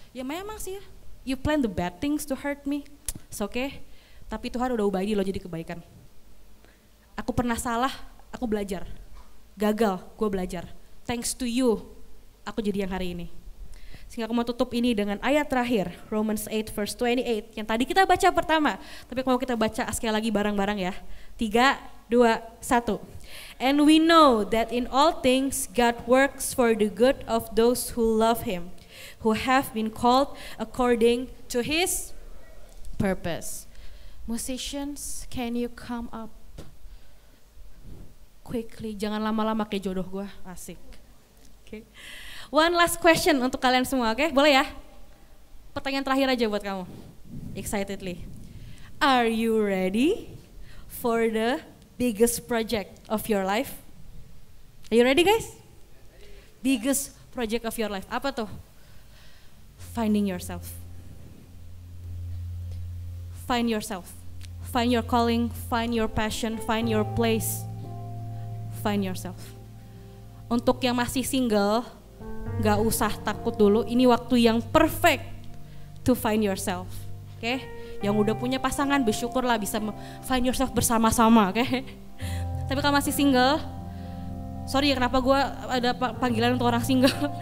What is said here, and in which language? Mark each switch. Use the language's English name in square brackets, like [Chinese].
[Indonesian] Ya memang sih, [English] you plan the bad things to hurt me, it's okay. [Indonesian] Tapi Tuhan udah ubah ini loh jadi kebaikan. Aku pernah salah, aku belajar. Gagal, gue belajar. [English] Thanks to you, [Indonesian] aku jadi yang hari ini. Sehingga aku mau tutup ini dengan ayat terakhir, Romans 8 verse 28, yang tadi kita baca pertama. Tapi aku mau kita baca sekali lagi bareng-bareng ya. 3, 2, 1. [English] And we know that in all things God works for the good of those who love him, who have been called according to his purpose. Musicians, can you come up quickly? [Indonesian] Jangan lama-lama kayak jodoh gue, asik. Oke, okay. [English] One last question [Indonesian] untuk kalian semua, oke? [English] Okay? [Indonesian] Boleh ya? Pertanyaan terakhir aja buat kamu, excitedly. [English] Are you ready for the biggest project of your life? Are you ready guys? Biggest project of your life, [Indonesian] apa tuh? [English] Finding yourself. Find yourself. Find your calling, find your passion, find your place. Find yourself. [Indonesian] Untuk yang masih single, gak usah takut dulu, ini waktu yang perfect [English] to find yourself, [Indonesian] oke? [English] Okay? [Indonesian] Yang udah punya pasangan, bersyukurlah bisa [English] find yourself [Indonesian] bersama-sama, oke? Okay? Tapi kalau masih single, sorry ya kenapa gue ada panggilan untuk orang single.